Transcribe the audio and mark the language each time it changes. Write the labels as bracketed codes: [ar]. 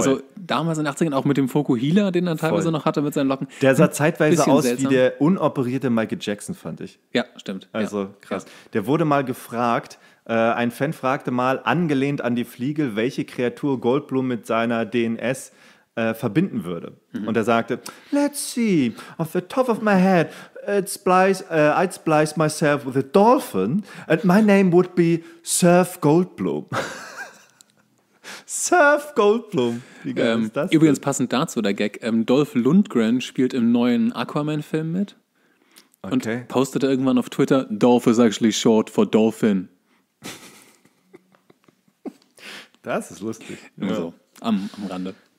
[de] Also damals in den 80ern, auch mit dem Fokuhila, den er teilweise noch hatte mit seinen Locken. Der sah zeitweise aus wie der unoperierte Michael Jackson, fand ich. Ja, stimmt. Also krass. Der wurde mal gefragt, ein Fan fragte mal, angelehnt an die Fliege, welche Kreatur Goldblum mit seiner DNS verbinden würde. Mhm. [en] Und er sagte, let's see, off the top of my head, I'd splice myself with a dolphin and my name would be Surf Goldblum. [de] Surf Goldblum. Wie geil ist das? Übrigens passend dazu, der Gag, Dolph Lundgren spielt im neuen Aquaman-Film mit und postete irgendwann auf Twitter, [en] Dolph is actually short for Dolphin. [de] Das ist lustig. Immer so, am Rande.